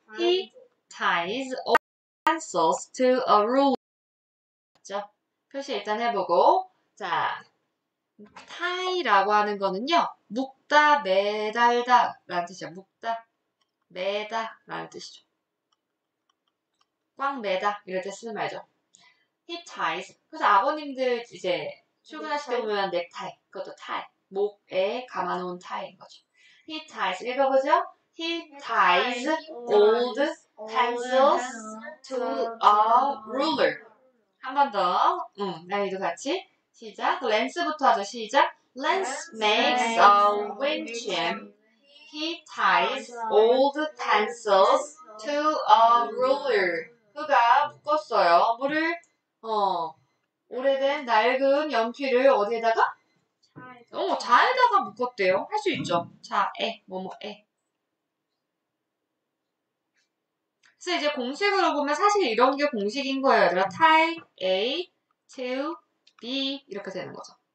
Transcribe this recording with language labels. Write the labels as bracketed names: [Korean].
[English] He ties all pencils to a rule. [Korean] 자, 표시 일단 해보고. 자. 타이라고 하는 거는요, 묶다, 매달다 라는 뜻이야. 묶다, 매다 라는 뜻이죠. 꽉 매다 이럴 때 쓰는 말이죠. [English] He ties. [Korean] 그래서 아버님들 이제 출근하실 때 보면 넥타이, 그것도 타이, 목에 감아놓은 타이인 거죠. [English] He ties. [Korean] 읽어보죠. [English] He ties old pencils to a ruler. [Korean] 한번 더. 나이도 같이. 시작. 랜스부터 하죠. 시작. [English] Lance makes a windchime. He ties old pencils to a ruler. [Korean] 그가 묶었어요. 물을, 오래된 낡은 연필을 어디에다가? 어, 자에다가 묶었대요. 할 수 있죠. 자에, 뭐뭐에. 그래서 이제 공식으로 보면 사실 이런 게 공식인 거예요. 얘들아, type A to B 이렇게 되는 거죠.